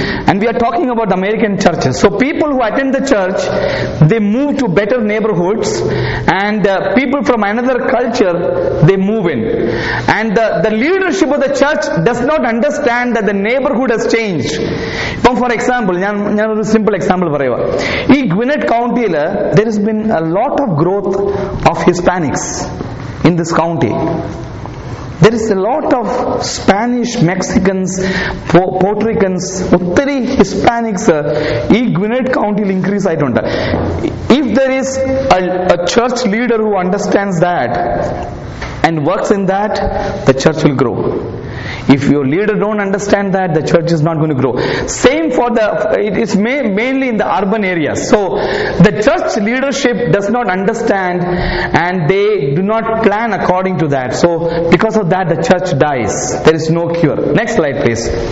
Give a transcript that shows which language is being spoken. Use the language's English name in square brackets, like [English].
[English] And we are talking about American churches. So people who attend the church, they move to better neighborhoods. And people from another culture, they move in. And the leadership of the church does not understand that the neighborhood has changed. For example, I have a simple example. [Malayalam] ഈ ഗ്വിനെറ്റ് കൗണ്ടിയില് [English] There has been a lot of growth of Hispanics in this county. There is a lot of Spanish, Mexicans, Puerto Ricans, [Malayalam] ഒത്തിരി Hispanics ഈ ഗ്വിനെറ്റ് കൗണ്ടിയിൽ increase ആയിട്ടുണ്ട്. [English] If there is a church leader who understands that and works in that, the church will grow. If your leader don't understand that, the church is not going to grow. Same for the, it is mainly in the urban areas. So, the church leadership does not understand and they do not plan according to that. So, because of that, the church dies. There is no cure. Next slide, please.